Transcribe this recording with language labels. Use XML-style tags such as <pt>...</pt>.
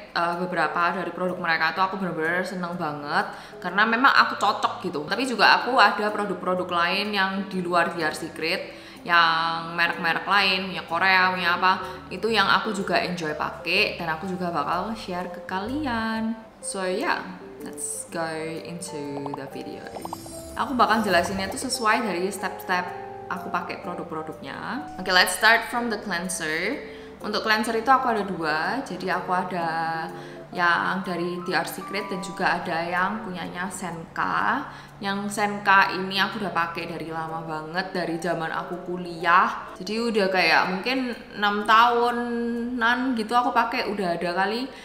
<id>Beberapa dari produk mereka tuh aku benar-benar seneng banget karena memang aku cocok gitu. Tapi juga aku ada produk-produk lain yang di luar DR Secret, yang merek-merek lain, punya Korea, punya apa, itu yang aku juga enjoy pakai dan aku juga bakal share ke kalian.</id> <en>So yeah, let's go into the video.</en> <id>Aku bakal jelasinnya tuh sesuai dari step-step aku pakai produk-produknya.</id> <en>Okay, let's start from the cleanser.</en> <id>Untuk cleanser itu aku ada dua, jadi aku ada yang dari DR Secret dan juga ada yang punyanya Senka. Yang Senka ini aku udah pakai dari lama banget, dari zaman aku kuliah. Jadi udah kayak mungkin 6 tahunan gitu aku pakai, udah ada kali.</id>